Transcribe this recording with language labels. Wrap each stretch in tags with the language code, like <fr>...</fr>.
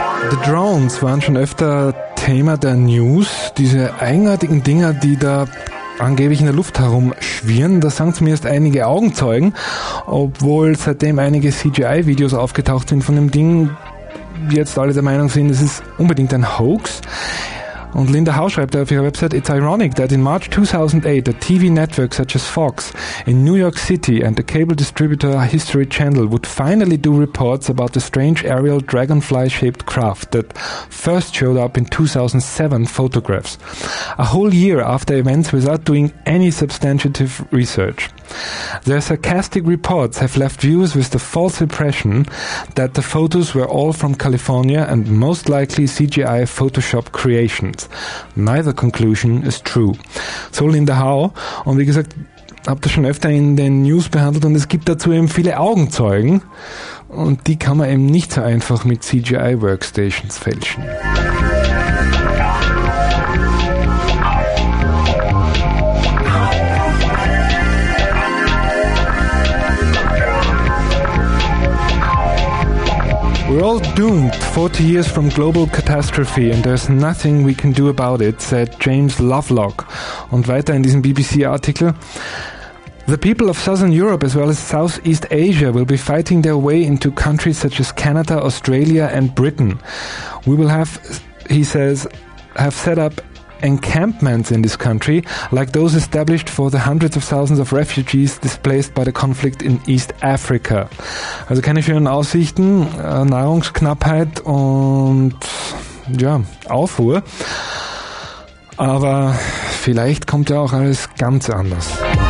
<de>The Drones waren schon öfter Thema der News. Diese eigenartigen Dinger, die da angeblich in der Luft herumschwirren. Da sagen zumindest einige Augenzeugen, obwohl seitdem einige CGI-Videos aufgetaucht sind von dem Ding, jetzt alle der Meinung sind, es ist unbedingt ein Hoax. Und Linda Hau schreibt auf ihrer Website,</de> <en>it's ironic that in March 2008 a TV network such as Fox in New York City and the cable distributor History Channel would finally do reports about the strange aerial dragonfly-shaped craft that first showed up in 2007 photographs. A whole year after events without doing any substantive research. Their sarcastic reports have left viewers with the false impression that the photos were all from California and most likely CGI Photoshop creations. Neither conclusion is true.</en> <de>So Linda Howe, und wie gesagt, habt ihr schon öfter in den News behandelt, und es gibt dazu eben viele Augenzeugen, und die kann man eben nicht so einfach mit CGI Workstations fälschen.</de> <en>We're all doomed 40 years from global catastrophe and there's nothing we can do about it, said James Lovelock.</en> <de>Und weiter in diesem BBC-Artikel.</de> <en>The people of Southern Europe as well as Southeast Asia will be fighting their way into countries such as Canada, Australia and Britain. We will have, he says, have set up encampments in this country, like those established for the hundreds of thousands of refugees displaced by the conflict in East Africa.</en> <de>Also keine schönen Aussichten, Nahrungsknappheit und ja, Aufruhr. Aber vielleicht kommt ja auch alles ganz anders.</de>